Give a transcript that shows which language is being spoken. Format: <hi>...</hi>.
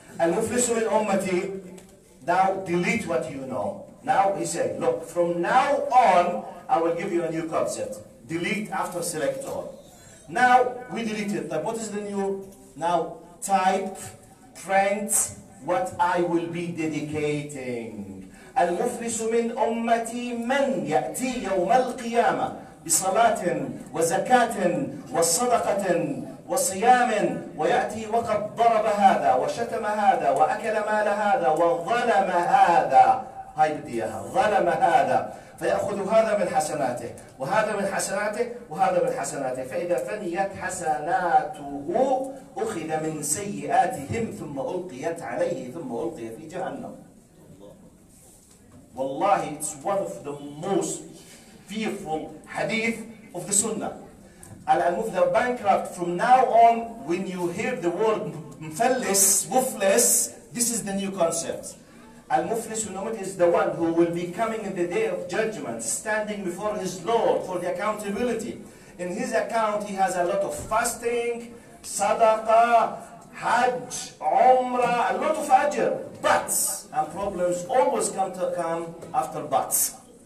<ar>المفلس من أمتي,</ar> <en>now delete what you know. Now he said, look, from now on, I will give you a new concept. Delete after select all. Now we delete it. What is the new? Now type, print what I will be dedicating.</en> <ar>المفلس من أمتي من يأتي يوم القيامة بصلاة وزكاة وصدقة وصيام ويأتي وقد ضرب هذا وشتم هذا وأكل مال هذا وظلم هذا هاي بديها ظلم هذا فيأخذ هذا من حسناته وهذا من حسناته وهذا من حسناته فإذا فنيت حسناته أخذ من سيئاتهم ثم ألقيت عليه ثم ألقي في جهنم</ar> <en>والله it's one of the most fearful hadith of the sunnah Al-Muflis, the bankrupt, from now on, when you hear the word mfallis, mufless, this is the new concept. Al-Muflis, you know it, is the one who will be coming in the day of judgment, standing before his Lord for the accountability. In his account, he has a lot of fasting, sadaqah, hajj, umrah, a lot of ajr, buts. And problems always come after buts.</en>